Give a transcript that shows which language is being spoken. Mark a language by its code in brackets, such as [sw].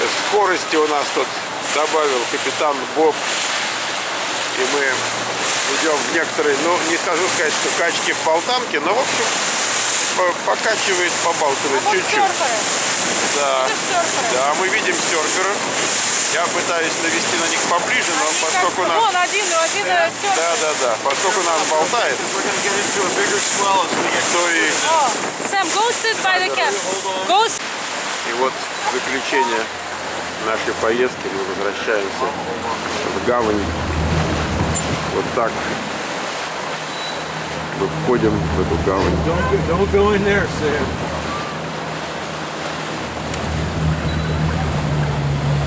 [ru] Скорости у нас тут добавил капитан Боб. И мы идем в некоторые. Ну, не скажу сказать, что качки в полтанке, но в общем. Покачивает, побалтывает чуть-чуть. Да, мы видим серфера. Я пытаюсь навести на них поближе, но они поскольку нас. Вон один серфер. Да. Поскольку нас болтает. [en] Сэм, go sit by the cat. Go. [ru] И вот заключение нашей поездки. Мы возвращаемся в гавань. Вот так. Мы входим в эту гавань. [en] Don't go in there, Sam.